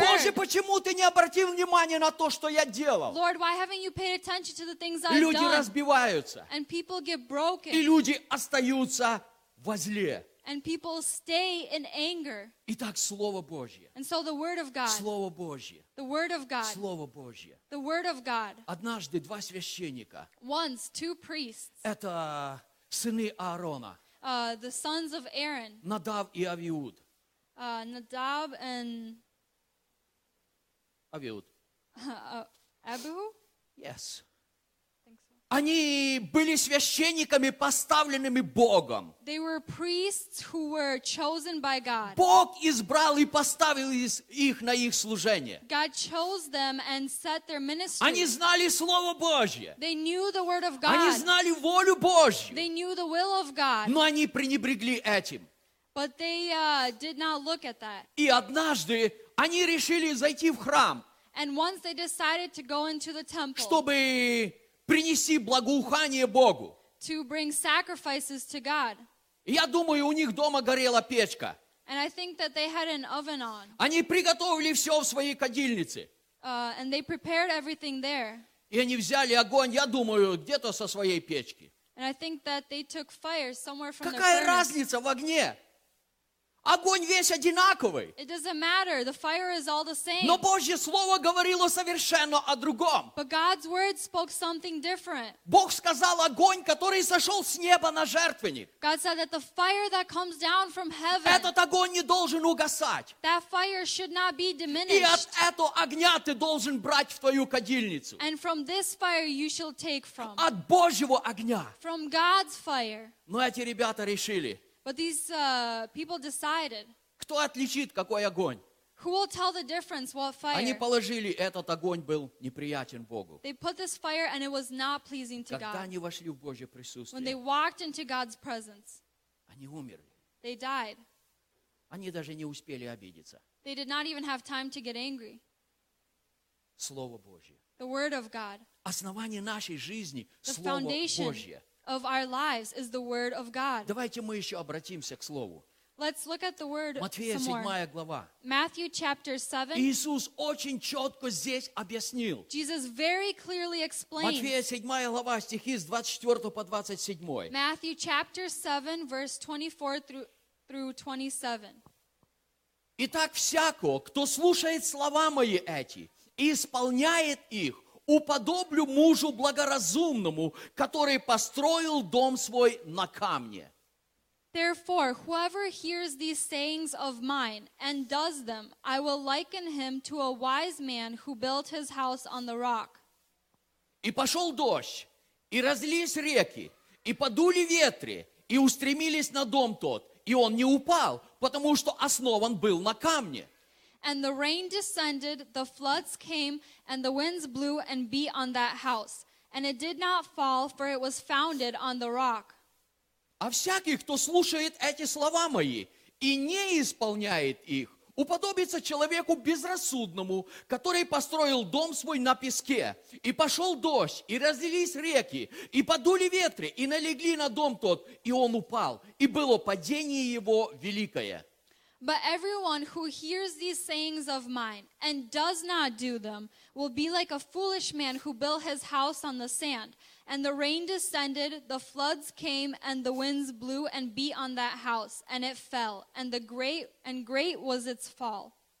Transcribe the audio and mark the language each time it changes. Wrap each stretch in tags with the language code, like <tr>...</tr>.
<ru>Боже, почему ты не обратил внимания на то, что я делал?</ru> <en>Lord, why haven't you paid attention to the things I've done?</en> <ru>Люди разбиваются.</ru> <en>And people get broken.</en> <ru>И люди остаются во зле.</ru> <en>And people stay in anger.</en> <ru>Итак, Слово Божье.</ru> <en>And so the Word of God.</en> <ru>Слово Божье.</ru> <en>The Word of God.</en> <ru>Слово Божье.</ru> <en>The Word of God.</en> <ru>Однажды два священника.</ru> <en>Once, two priests.</en> <ru>Это сыны Аарона.</ru> <en>The sons of Aaron.</en> <ru>Надав и Авиуд.</ru> <en>Надав and...</en> <ru>Авиуд. Абиу?</ru> <en>Yes.</en> <ru>Они были священниками, поставленными Богом.</ru> <en>They were priests who were chosen by God.</en> <ru>Бог избрал и поставил их на их служение.</ru> <en>God chose them and set their ministry.</en> <ru>Они знали Слово Божье.</ru> <en>They knew the Word of God.</en> <ru>Они знали волю Божью.</ru> <en>They knew the will of God.</en> <ru>Но они пренебрегли этим.</ru> <en>But they did not look at that.</en> <ru>И однажды они решили зайти в храм.</ru> <en>And once they decided to go into the temple.</en> <ru>Чтобы... Принеси благоухание Богу.</ru> <en>To bring sacrifices to God.</en> <ru>Я думаю, у них дома горела печка.</ru> <en>And I think that they had an oven on.</en> <ru>Они приготовили все в своей кадильнице.</ru> <en>And they prepared everything there.</en> <ru>И они взяли огонь, я думаю, где-то со своей печки.</ru> <en>And I think that they took fire somewhere from</en> <ru>Какая</ru> <en>their furnace.</en> <ru>Разница в огне? Огонь весь одинаковый.</ru> <en>It doesn't matter. The fire is all the same.</en> <ru>Но Божье Слово говорило совершенно о другом.</ru> <en>But God's word spoke something different.</en> <ru>Бог сказал огонь, который сошел с неба на жертвенник.</ru> <en>God said that the fire that comes down from heaven.</en> <ru>Этот огонь не должен угасать.</ru> <en>That fire should not be diminished.</en> <ru>И от этого огня ты должен брать в твою кадильницу.</ru> <en>And from this fire you shall take from.</en> <ru>От Божьего огня.</ru> <en>From God's fire.</en> <ru>Но эти ребята решили.</ru> <en>But these people decided.</en> <ru>Кто отличит, какой огонь?</ru> <en>Who will tell the difference, what fire?</en> <ru>Они положили, этот огонь был неприятен Богу.</ru> <en>They put this fire and it was not pleasing to</en> <ru>Когда</ru> <en>God.</en> <ru>Когда они вошли в Божье присутствие.</ru> <en>When they walked into God's presence.</en> <ru>Они умерли.</ru> <en>They died.</en> <ru>Они даже не успели обидеться.</ru> <en>They did not even have time to get angry.</en> <ru>Слово Божье.</ru> <en>The Word of God.</en> <ru>Основание нашей жизни – Слово Божье.</ru> <en>Of our lives is the word of God.</en> <ru>Давайте мы еще обратимся к слову.</ru> <en>Let's look at the word</en> <ru>Матфея,</ru> <en>some more.</en> <ru>Матфея 7 глава.</ru> <en>Matthew chapter 7.</en> <ru>Иисус очень четко здесь объяснил.</ru> <en>Jesus very clearly explained.</en> <ru>Матфея 7 глава, стихи с 24 по 27.</ru> <en>Matthew chapter 7, verse 24 through 27.</en> <ru>Итак, всяко, кто слушает слова мои эти и исполняет их, уподоблю мужу благоразумному, который построил дом свой на камне.</ru> <en>Therefore, whoever hears these sayings of mine and does them, I will liken him to a wise man who built his house on the rock.</en> <ru>И пошел дождь, и разлились реки, и подули ветры, и устремились на дом тот, и он не упал, потому что основан был на камне.</ru> <en>And the rain descended, the floods came, and the winds blew and beat on that house. And it did not fall, for it was founded on the rock.</en> <ru>А всякий, кто слушает эти слова мои и не исполняет их, уподобится человеку безрассудному, который построил дом свой на песке. И пошел дождь, и разлились реки, и подули ветры, и налегли на дом тот, и он упал, и было падение его великое.</ru> <en>But everyone who hears these sayings of mine and does not do them will be like a foolish man who built his house on the sand. And the rain descended, the floods came, and the winds blew and beat on that house, and it fell, and great was its fall.</en>